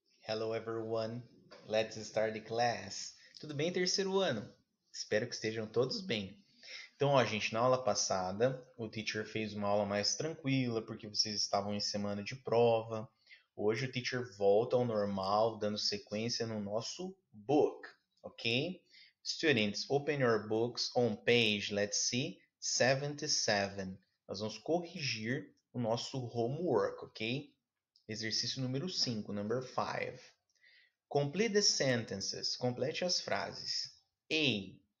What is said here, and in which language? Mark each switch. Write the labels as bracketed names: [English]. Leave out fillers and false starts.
[English] Hello everyone, let's start the class. [Portuguese] Tudo bem, terceiro ano? Espero que estejam todos bem. Então, ó, gente, na aula passada, o teacher fez uma aula mais tranquila, porque vocês estavam em semana de prova. Hoje o teacher volta ao normal, dando sequência no nosso book, ok? [English] Students, open your books on page, let's see, 77. [Portuguese] Nós vamos corrigir o nosso homework, ok? Exercício número 5, [English] number 5. Complete the sentences. [Portuguese] Complete as frases. [English] A.